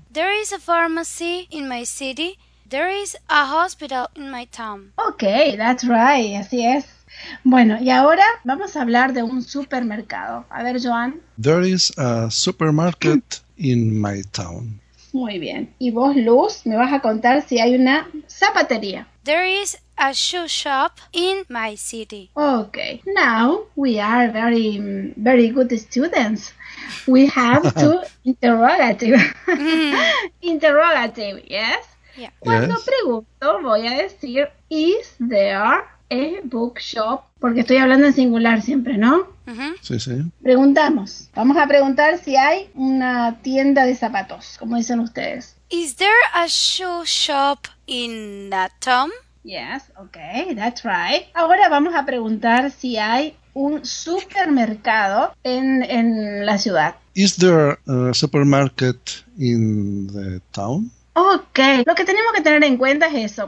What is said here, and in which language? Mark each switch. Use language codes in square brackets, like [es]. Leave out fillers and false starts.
[en] There is a pharmacy in my city. There is a hospital in my town. Okay, that's right. [es] Así es. Bueno, y ahora vamos a hablar de un supermercado. A ver, Joan. [en] There is a supermarket in my town. [es] Muy bien. Y vos, Luz, me vas a contar si hay una zapatería. [en] There is a shoe shop in my city. Okay. Now we are very, very good students. We have two interrogative. Interrogative, yes? Yeah. [es] Cuando pregunto, voy a decir, [en] is there a bookshop? [es] Porque estoy hablando en singular siempre, ¿no? Uh-huh. Sí, sí. Preguntamos. Vamos a preguntar si hay una tienda de zapatos, como dicen ustedes. [en] Is there a shoe shop in that town? Yes, okay, that's right. [es] Ahora vamos a preguntar si hay un supermercado en la ciudad. [en] Is there a supermarket in the town? Okay. [es] Lo que tenemos que tener en cuenta es eso.